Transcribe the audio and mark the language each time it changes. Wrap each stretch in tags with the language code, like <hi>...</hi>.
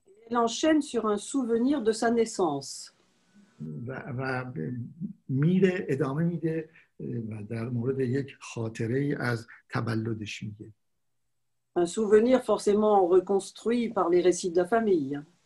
<fr>Elle enchaîne sur un souvenir de sa naissance.</fr> <fa>و میره ادامه میده و در مورد یک خاطره از تولدش میگه.</fa> <fr>Un souvenir forcément reconstruit par les récits de la famille.</fr>